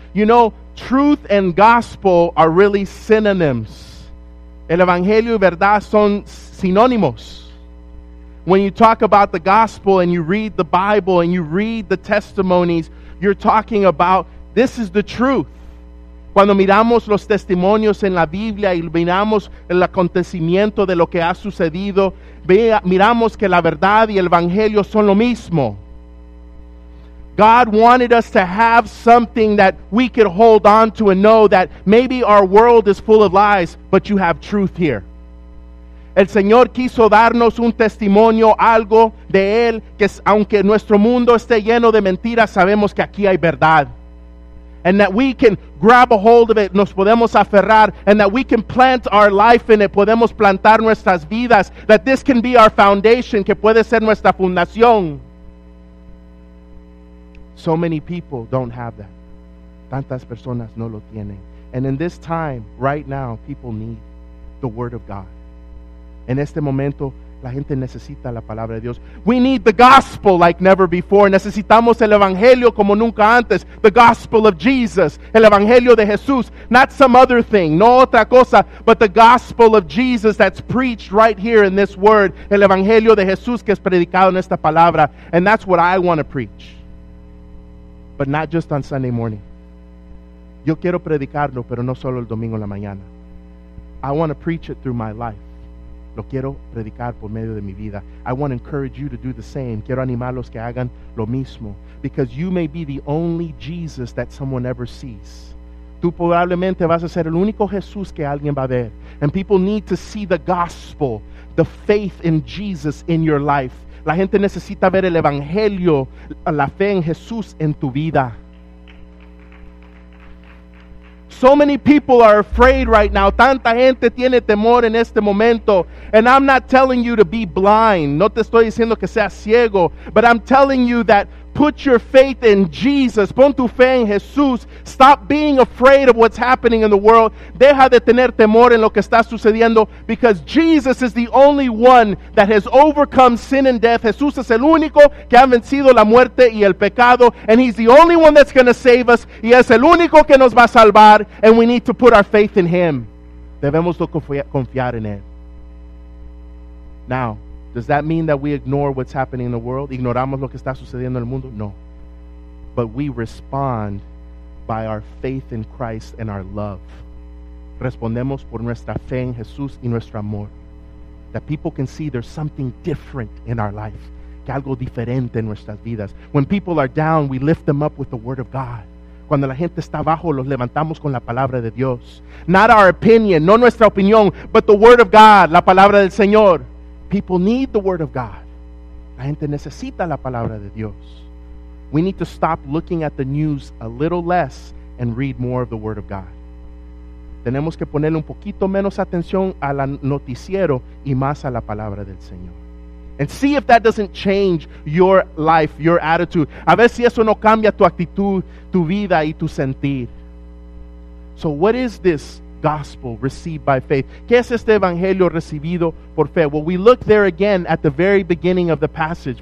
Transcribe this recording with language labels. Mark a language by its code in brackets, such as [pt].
[en] You know, truth and gospel are really synonyms. [es] El evangelio y verdad son sinónimos. [en] When you talk about the gospel and you read the Bible and you read the testimonies, you're talking about, this is the truth. [es] Cuando miramos los testimonios en la Biblia y miramos el acontecimiento de lo que ha sucedido, miramos que la verdad y el evangelio son lo mismo. [en] God wanted us to have something that we could hold on to and know that maybe our world is full of lies, but you have truth here. [es] El Señor quiso darnos un testimonio, algo de Él, que aunque nuestro mundo esté lleno de mentiras, sabemos que aquí hay verdad. [en] And that we can grab a hold of it, [es] nos podemos aferrar, [en] and that we can plant our life in it, [es] podemos plantar nuestras vidas, [en] that this can be our foundation, [es] que puede ser nuestra fundación. [en] So many people don't have that. [es] Tantas personas no lo tienen. [en] And in this time, right now, people need the Word of God. [es] En este momento, la gente necesita la palabra de Dios. [en] We need the gospel like never before. [es] Necesitamos el evangelio como nunca antes. [en] The gospel of Jesus. [es] El evangelio de Jesús. [en] Not some other thing. [es] No otra cosa. [en] But the gospel of Jesus that's preached right here in this word. [es] El evangelio de Jesús que es predicado en esta palabra. [en] And that's what I want to preach. But not just on Sunday morning. [es] Yo quiero predicarlo, pero no solo el domingo en la mañana. [en] I want to preach it through my life. [es] Lo quiero predicar por medio de mi vida. [en] I want to encourage you to do the same. [es] Quiero animarlos que hagan lo mismo. [en] Because you may be the only Jesus that someone ever sees. [es] Tú probablemente vas a ser el único Jesús que alguien va a ver. [en] And people need to see the gospel, the faith in Jesus in your life. [es] La gente necesita ver el evangelio, la fe en Jesús en tu vida. [en] So many people are afraid right now. [es] Tanta gente tiene temor en este momento. [en] And I'm not telling you to be blind. [es] No te estoy diciendo que seas ciego. [en] But I'm telling you that put your faith in Jesus. [es] Pon tu fe en Jesús. [en] Stop being afraid of what's happening in the world. [es] Deja de tener temor en lo que está sucediendo. [en] Because Jesus is the only one that has overcome sin and death. [es] Jesús es el único que ha vencido la muerte y el pecado. [en] And he's the only one that's going to save us. [es] Y es el único que nos va a salvar. [en] And we need to put our faith in him. [es] Debemos confiar en él. [en] Now, does that mean that we ignore what's happening in the world? [es] ¿Ignoramos lo que está sucediendo en el mundo? [en] No. But we respond by our faith in Christ and our love. [es] Respondemos por nuestra fe en Jesús y nuestro amor. [en] That people can see there's something different in our life. [es] Que algo diferente en nuestras vidas. [en] When people are down, we lift them up with the word of God. [es] Cuando la gente está abajo, los levantamos con la palabra de Dios. [en] Not our opinion, [es] no nuestra opinión, [en] but the word of God, [es] la palabra del Señor. [en] People need the word of God. [es] La gente necesita la palabra de Dios. [en] We need to stop looking at the news a little less and read more of the Word of God. [es] Tenemos que ponerle un poquito menos atención a la noticiero y más a la palabra del Señor. [en] And see if that doesn't change your life, your attitude. [es] A ver si eso no cambia tu actitud, tu vida y tu sentir. [en] So what is this gospel received by faith? [es] ¿Qué es este evangelio recibido por fe? [en] Well, we look there again at the very beginning of the passage.